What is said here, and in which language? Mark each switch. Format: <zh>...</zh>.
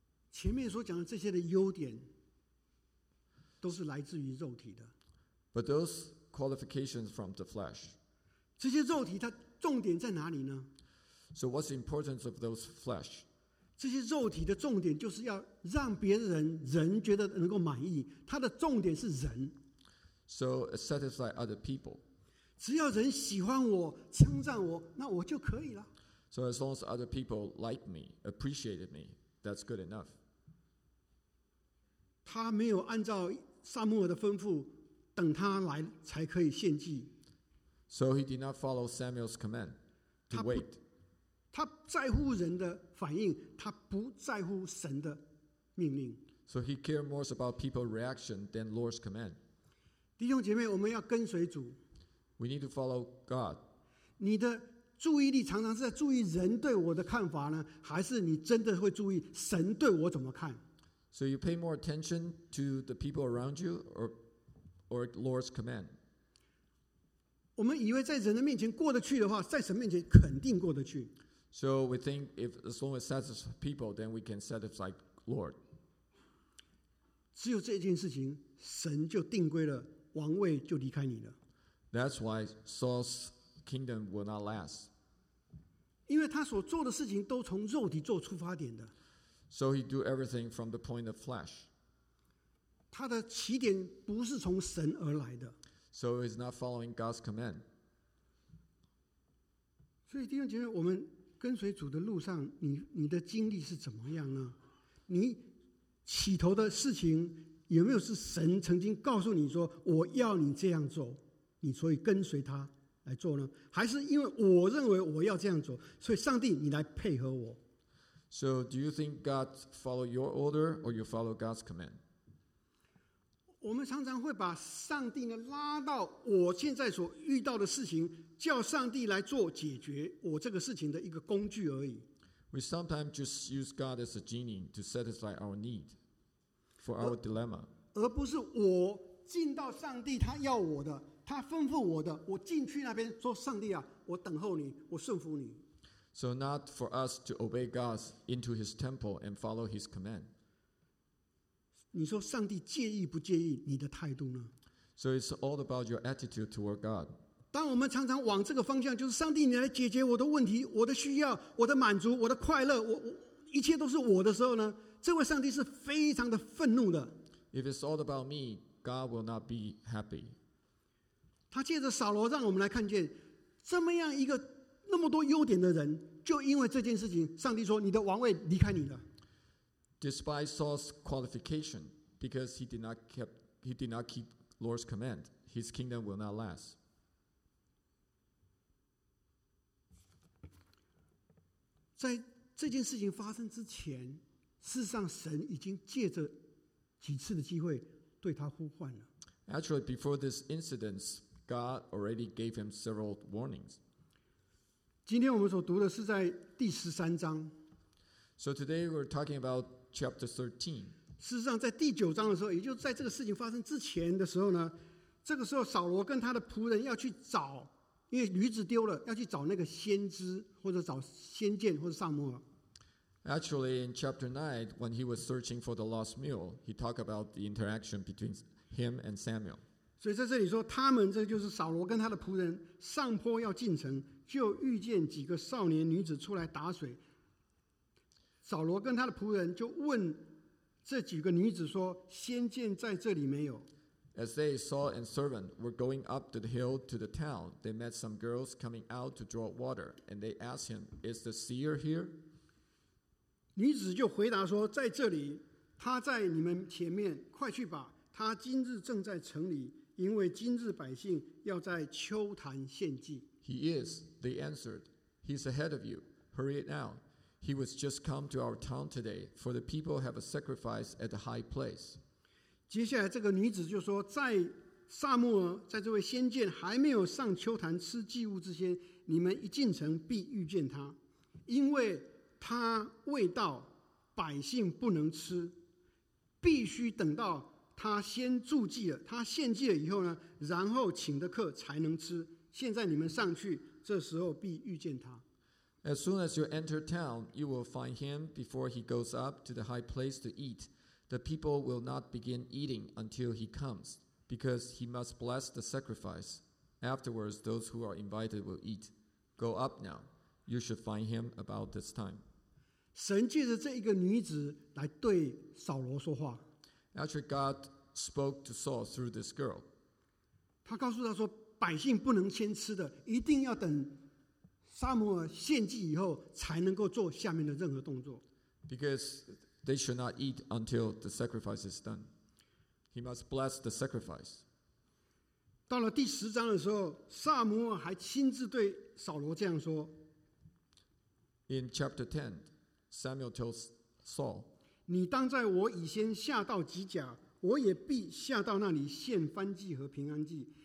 <zh>前面所讲的这些的优点都是来自于肉体的。</zh> <en>But those qualifications from the flesh.</en> <zh>这些肉体它重点在哪里呢？</zh> <en>So what's the importance of those flesh?</en> <zh>这些肉体的重点就是要让别人，人觉得能够满意，它的重点是人。</zh> <en>So satisfy other people.</en> <zh>只要人喜欢我，称赞我，那我就可以了。</zh> <en>So as long as other people like me, appreciated me, that's good enough.</en> <zh>他没有按照撒母耳的吩咐，等他来才可以献祭。</zh> <en>So he did not follow Samuel's command to wait.</en> <zh>他在乎人的反应，他不在乎神的命令。</zh> <en>So he cared more about people's reaction than Lord's command.</en> <zh>弟兄姐妹，我们要跟随主。</zh> <en>We need to follow God.</en> <zh>你的注意力常常是在注意人对我的看法呢，还是你真的会注意神对我怎么看？</zh> <en>So you pay more attention to the people around you, or Lord's command?</en> <zh>我们以为在人的面前过得去的话，在神面前肯定过得去。</zh> <en>So we think if as long as satisfies people, then we can satisfy Lord.</en> <zh>只有这件事情，神就定规了，王位就离开你了。</zh> <en>That's why Saul's kingdom will not last.</en> <zh>因为他所做的事情都从肉体做出发点的。</zh> <en>So he do everything from the point of flesh.</en> <zh>他的起点不是从神而来的。</zh> <en>So he's not following God's command.</en> <zh>所以弟兄姐妹，我们跟随主的路上， 你的经历是怎么样呢？你起头的事情有没有是神曾经告诉你说我要你这样做，你所以跟随他来做呢？还是因为我认为我要这样做，所以上帝你来配合我？</zh> <en>So do you think God follow your order or you follow God's command?</en> <zh>我们常常会把上帝呢拉到我现在所遇到的事情，叫上帝来做解决我这个事情的一个工具而已。</zh> <en>We sometimes just use God as a genie to satisfy our need for our dilemma.</en> <zh>而不是我进到上帝他要我的，他吩咐我的，我进去那边说上帝啊，我等候你，我顺服你。</zh> <en>So not for us to obey God into his temple and follow his command.</en> <zh>你说上帝介意不介意你的态度呢？</zh> <en>So it's all about your attitude toward God.</en> <zh>当我们常常往这个方向，就是上帝你来解决我的问题，我的需要，我的满足，我的快乐，我一切都是我的时候呢，这位上帝是非常的愤怒的。</zh> <en>If it's all about me, God will not be happy.</en> <zh>他借着扫罗让我们来看见，这么样一个那么多优点的人，就因为这件事情，上帝说你的王位离开你了。</zh> <en>Despite Saul's qualification, because he did not keep Lord's command, his kingdom will not last.</en> <zh>在这件事情发生之前，事实上神已经借着几次的机会对他呼唤了。</zh> <en>Actually, before this incident, God already gave him several warnings.</en> <zh>今天我们所读的是在第十三章。</zh> <en>So today we're talking about chapter 13.</en> <zh>事实上，在第九章的时候，也就是在这个事情发生之前的时候呢，这个时候扫罗跟他的仆人要去找。因为驴子丢了，要去找那个先知，或者找先见，或者撒母耳。</zh> <en>Actually, in chapter 9, when he was searching for the lost mule, he talked about the interaction between him and Samuel.</en> <zh>所以在这里说，他们这就是扫罗跟他的仆人上坡要进城，就遇见几个少年女子出来打水。扫罗跟他的仆人就问这几个女子说：“先见在这里没有？”</zh> <en>As they, Saul and servant, were going up the hill to the town, they met some girls coming out to draw water, and they asked him, Is the seer here?</en> <zh>女子就回答说，在这里，他在你们前面，快去吧，他今日正在城里，因为今日百姓要在秋坛献祭。</zh> <en>He is, they answered, he's ahead of you, hurry it now. He was just come to our town today, for the people have a sacrifice at the high place.</en> <zh>接下来这个女子就说，在撒母耳，在这位先见还没有上秋坛吃祭物之前，你们一进城必遇见他，因为他未到，百姓不能吃，必须等到他先祝祭了，他献祭了以后呢，然后请的客才能吃，现在你们上去，这时候必遇见他。</zh> <en>As soon as you enter town, you will find him before he goes up to the high place to eat. The people will not begin eating until he comes, because he must bless the sacrifice. Afterwards, those who are invited will eat. Go up now. You should find him about this time.</en> <zh>神借着这一个女子来对扫罗说话。</zh> <en>Actually, God spoke to Saul through this girl.</en> <zh>他告诉他说，百姓不能先吃的，一定要等撒母耳献祭以后，才能够做下面的任何动作。</zh> <en>Because... They should not eat until the sacrifice is done. He must bless the sacrifice.</en> <zh>到了第十章的时候，撒母耳还亲自对扫罗这样说。</zh> <en>In chapter 10, Samuel tells Saul,</en> <zh>你当在我以先下到基甲，我也必下到那里献燔祭和平安祭。</zh>